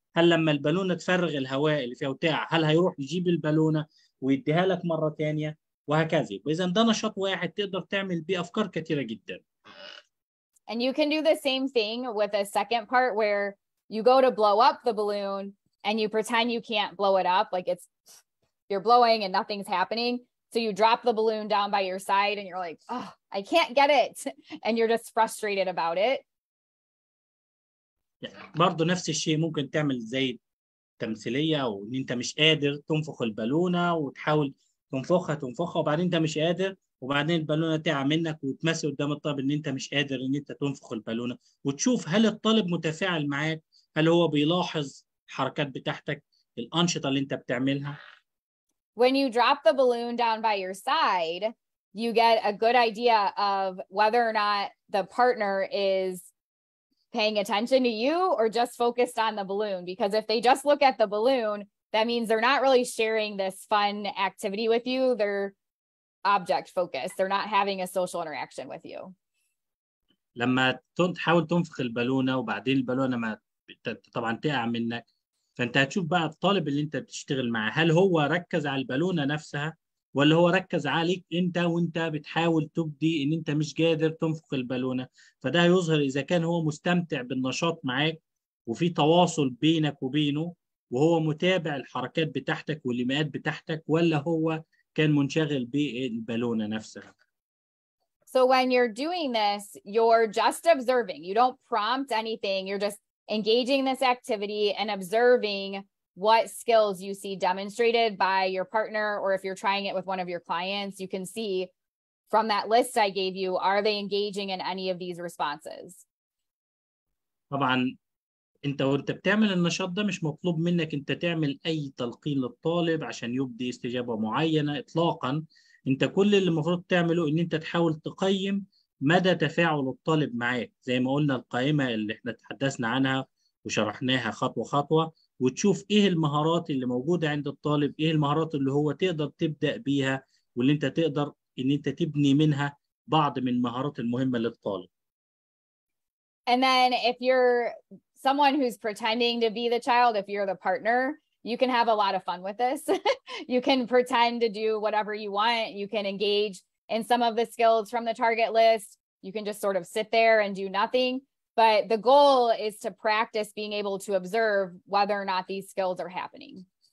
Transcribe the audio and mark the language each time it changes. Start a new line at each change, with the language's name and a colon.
Arabic: هل لما البالونة تفرغ الهواء اللي فيها وتقع هل هيروح يجيب البالونة ويديها لك مرة تانية وهكذا. وإذا ده نشاط واحد تقدر تعمل بيه أفكار كثيرة جدا.
English: And you can do the same thing with a second part where you go to blow up the balloon and you pretend you can't blow it up, like it's you're blowing and nothing's happening. So you drop the balloon down by your side and you're like, oh, I can't get it. And you're just frustrated about it.
Arabic: برضو نفس الشيء ممكن تعمل زي تمثيلية وان انت مش قادر تنفخ البالونة وتحاول تنفخها وبعدين انت مش قادر وبعدين البالونة تقع منك وتمثل قدام الطالب ان انت مش قادر ان انت تنفخ البالونة وتشوف هل الطالب متفاعل معاك، هل هو بيلاحظ الحركات بتاعتك، الأنشطة اللي انت بتعملها.
English: When you drop the balloon down by your side, you get a good idea of whether or not the partner is paying attention to you or just focused on the balloon. Because if they just look at the balloon, that means they're not really sharing this fun activity with you. They're object focused. They're not having a social interaction with you.
Arabic: لما تحاول تنفخ البالونة وبعدين البالونة ما طبعا تقع منك، فانت هتشوف بقى الطالب اللي انت بتشتغل معه هل هو ركز على البالونة نفسها ولا هو ركز عليك انت وانت بتحاول تبدي ان انت مش قادر تنفخ البالونة. فده هيظهر اذا كان هو مستمتع بالنشاط معاك وفي تواصل بينك وبينه وهو متابع الحركات بتاعتك والايماءات بتاعتك ولا هو كان منشغل بالبالونة نفسها.
English: So when you're doing this, you're just observing. You don't prompt anything. You're just engaging this activity and observing what skills you see demonstrated by your partner, or if you're trying it with one of your clients, you can see from that list I gave you, are they engaging in any of these responses?
Arabic: طبعا انت وانت بتعمل النشاط ده مش مطلوب منك انت تعمل اي تلقين للطالب عشان يبدي استجابة معينة اطلاقا. انت كل اللي المفروض تعمله ان انت تحاول تقيم مدى تفاعل الطالب معاك زي ما قلنا القائمة اللي احنا تحدثنا عنها وشرحناها خطوة خطوة، وتشوف ايه المهارات اللي موجودة عند الطالب، ايه المهارات اللي هو تقدر تبدأ بيها واللي انت تقدر ان انت تبني منها بعض من المهارات المهمة للطالب.
English: And then if you're someone who's pretending to be the child, if you're the partner, you can have a lot of fun with this. You can pretend to do whatever you want. You can engage in some of the skills from the target list. You can just sort of sit there and do nothing. But the goal is to practice being able to observe whether or not these skills are happening.